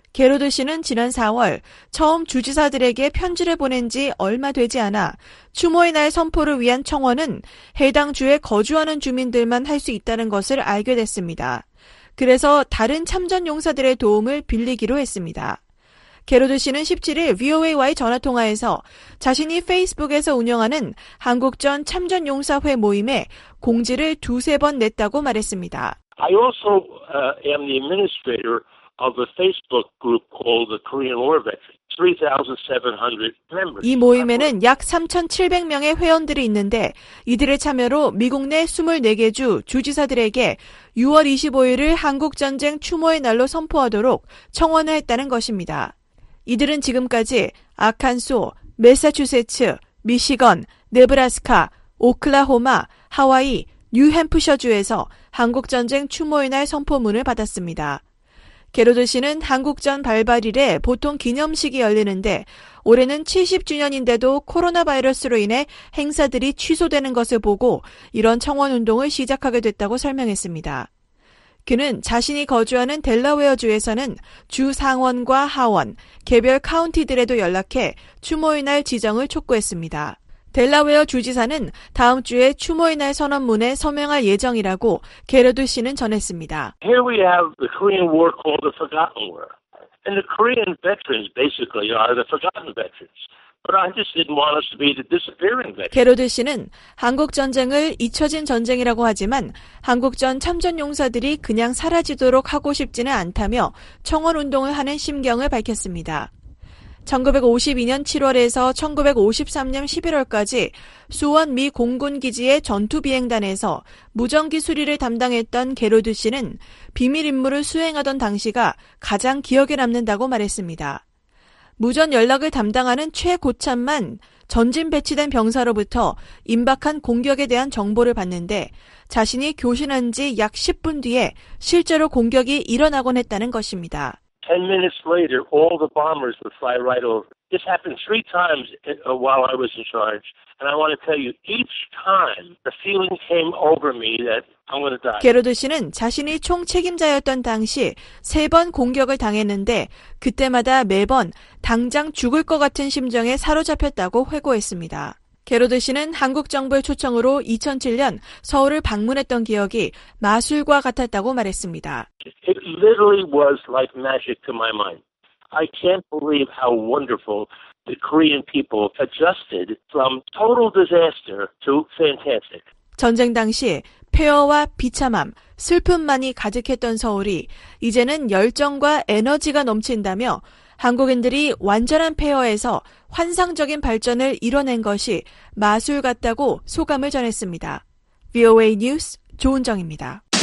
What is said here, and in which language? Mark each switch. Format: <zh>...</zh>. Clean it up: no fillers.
<ko>게로드 씨는 지난 4월 처음 주지사들에게 편지를 보낸 지 얼마 되지 않아 추모의 날 선포를 위한 청원은 해당 주에 거주하는 주민들만 할 수 있다는 것을 알게 됐습니다. 그래서 다른 참전용사들의 도움을 빌리기로 했습니다. 게로드 씨는 17일 VOA와의 전화통화에서 자신이 페이스북에서 운영하는 한국전 참전용사회 모임에 공지를 두세 번 냈다고 말했습니다.</ko> <en>I also am the administrator of a Facebook group called the Korean War Veterans. 3,700 members.</en> <ko>이 모임에는 약 3,700명의 회원들이 있는데 이들의 참여로 미국 내 24개 주 주지사들에게 6월 25일을 한국전쟁 추모의 날로 선포하도록 청원을 했다는 것입니다. 이들은 지금까지 아칸소, 매사추세츠, 미시건, 네브라스카, 오클라호마, 하와이, 뉴햄프셔주에서 한국전쟁 추모의 날 선포문을 받았습니다. 게로드 씨는 한국전 발발일에 보통 기념식이 열리는데 올해는 70주년인데도 코로나 바이러스로 인해 행사들이 취소되는 것을 보고 이런 청원운동을 시작하게 됐다고 설명했습니다. 그는 자신이 거주하는 델라웨어주에서는 주 상원과 하원, 개별 카운티들에도 연락해 추모의 날 지정을 촉구했습니다. 델라웨어 주지사는 다음 주에 추모의 날 선언문에 서명할 예정이라고 게르드 씨는 전했습니다.</ko> <en>Here we have the Korean War called the Forgotten War. And the Korean veterans basically are the forgotten veterans. But I just didn't want us to be the disappearing veterans.</en> <ko>게르드 씨는 한국 전쟁을 잊혀진 전쟁이라고 하지만 한국전 참전 용사들이 그냥 사라지도록 하고 싶지는 않다며 청원 운동을 하는 심경을 밝혔습니다. 1952년 7월에서 1953년 11월까지 수원 미 공군기지의 전투비행단에서 무전기 수리를 담당했던 게로드 씨는 비밀 임무를 수행하던 당시가 가장 기억에 남는다고 말했습니다. 무전 연락을 담당하는 최고참만 전진 배치된 병사로부터 임박한 공격에 대한 정보를 받는데 자신이 교신한 지 약 10분 뒤에 실제로 공격이 일어나곤 했다는 것입니다.</ko> <en>10 minutes later, all the bombers would fly right over. This happened three times while I was in charge. And I want to tell you, each time the feeling came over me that I'm going to die.</en> <ko>게로드 씨는 자신이 총 책임자였던 당시 세 번 공격을 당했는데 그때마다 매번 당장 죽을 것 같은 심정에 사로잡혔다고 회고했습니다. 게로드 씨는 한국 정부의 초청으로 2007년 서울을 방문했던 기억이 마술과 같았다고 말했습니다.</ko> <en>It literally was like magic to my mind. I can't believe how wonderful the Korean people adjusted from total disaster to fantastic.</en> <ko>전쟁 당시 폐허와 비참함, 슬픔만이 가득했던 서울이 이제는 열정과 에너지가 넘친다며 한국인들이 완전한 폐허에서 환상적인 발전을 이뤄낸 것이 마술 같다고 소감을 전했습니다. VOA 뉴스 조은정입니다.</ko>